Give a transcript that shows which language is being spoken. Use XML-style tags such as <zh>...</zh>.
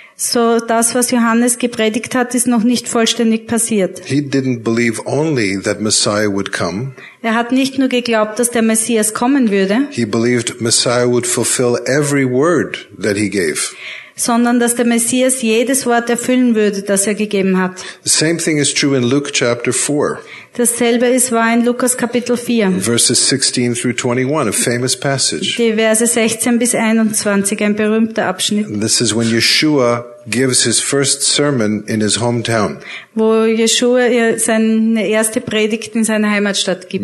<de>So das, was Johannes gepredigt hat, ist noch nicht vollständig passiert.</de> <en>He didn't believe only that Messiah would come.</en> <de>Er hat nicht nur geglaubt, dass der Messias kommen würde.</de> <en>He believed Messiah would fulfill every word that he gave.</en> <de>Sondern dass der Messias jedes Wort erfüllen würde, das er gegeben hat.</de> <en>The same thing is true in Luke chapter 4.</en> <de>Dasselbe ist wahr in Lukas Kapitel 4.</de> <en>Verses 16 through 21, a famous passage.</en> <de>Die Verse 16 bis 21, ein berühmter Abschnitt.</de> <en>And this is when Yeshua gives his first sermon in his hometown.</en> <de>Wo Yeshua seine erste Predigt in seiner Heimatstadt gibt.</de>